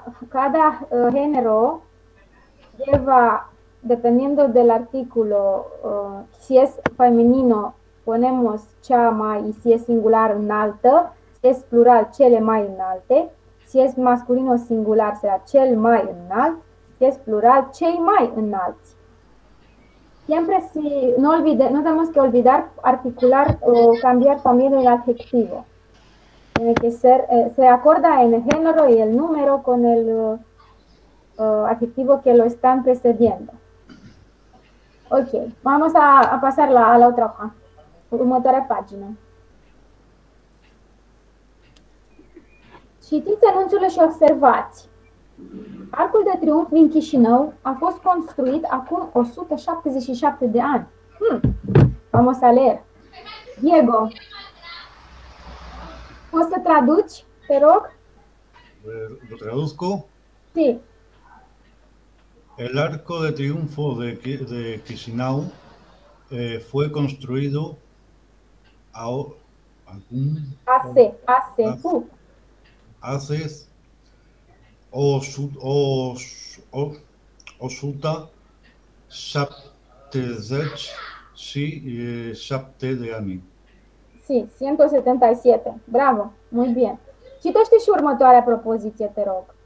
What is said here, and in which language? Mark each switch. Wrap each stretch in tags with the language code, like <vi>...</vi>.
<es>Cada género lleva, dependiendo del artículo, si es femenino ponemos</es> <ro>cea mai</ro> <es>y si es singular</es> <ro>înaltă,</ro> <es>si es plural</es> <ro>cele mai înalte,</ro> <es>si es masculino singular será</es> <ro>cel mai înalt,</ro> <es>si es plural</es> <ro>cei mai înalți.</ro> <es>Siempre si no olvide, no tenemos que olvidar articular o cambiar también el adjetivo. Tiene que ser, se acorda en el género y el número con el adjetivo que lo están precediendo. Ok, vamos a pasar a la otra hoja,</es> <ro>următoarea pagina. Citiți anunțurile și observați. Arcul de Triunf din Chișinău a fost construit acum 177 de ani.</ro> <es>Vamos a leer.</es> <ro>Diego, poți să traduci, te rog?</ro> <es>Lo traduzco? Sí. El Arco de Triunfo de Chișinău fue construido hace 177</es> <ro>de ani.</ro> <es>Sí, 177. Bravo, muy bien.</es> <ro>Citește și următoarea propoziție, te rog.</ro>